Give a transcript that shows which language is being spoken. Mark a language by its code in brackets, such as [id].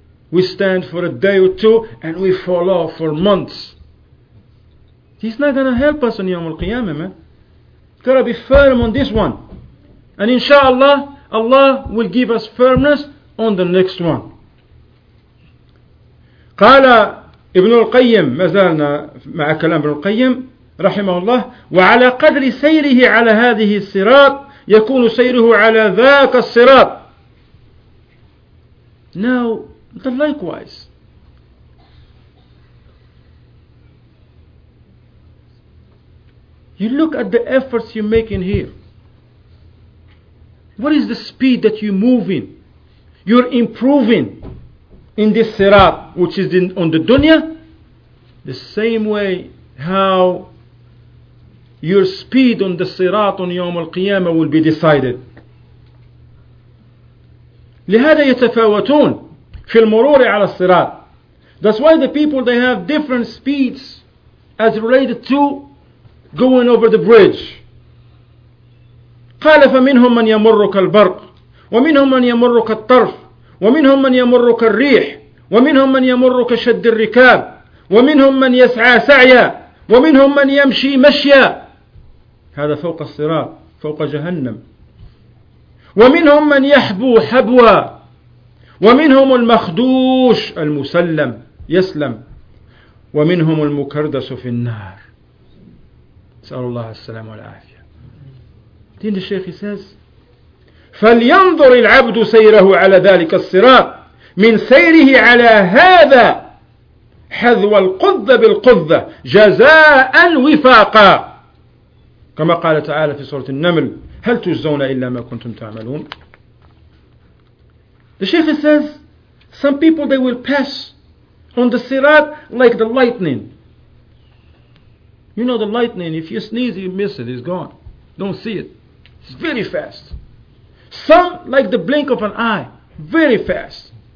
[en] We stand for a day or two and we fall off for months. He's not going to help us on Yawm al-Qiyamah, man. Got to be firm on this one. And inshallah, Allah will give us firmness on the next one. [ar] قال ابن القيم, ما زالنا مع كلام ابن القيم رحمه الله, وعلى قدر سيره على هذه الصراط يكون سيره على ذاك الصراط. [en] Now, the likewise. You look at the efforts you make in here. What is the speed that you move in? You're improving in this sirat, which is on the dunya, the same way how your speed on the sirat on Yawm al-Qiyamah will be decided. [ar] لهذا يتفاوتون في المرور على الصراط. [en] That's why the people, they have different speeds as related to going over the bridge. [ar] قال فمنهم من يمر كالبرق ومنهم من يمر كالطرف ومنهم من يمر كالريح ومنهم من يمر كشد الركاب ومنهم من يسعى سعيا ومنهم من يمشي مشيا. هذا فوق الصراط, فوق جهنم. ومنهم من يحبو حبوا ومنهم المخدوش المسلم يسلم ومنهم المكردس في النار. سأل الله السلام والعافية. دين الشيخ [en] says, [ar] فلينظر العبد سيره على ذلك الصراط من سيره على هذا حذو القضة بالقضة جزاء وفاقا, كما قال تعالى في سورة النمل, هل تجزون إلا ما كنتم تعملون. [en] The Sheikh says, some people, they will pass on the sirat like the lightning. You know the lightning, if you sneeze you miss it, it's gone, don't see it, it's very fast. Some, like the blink of an eye, very fast.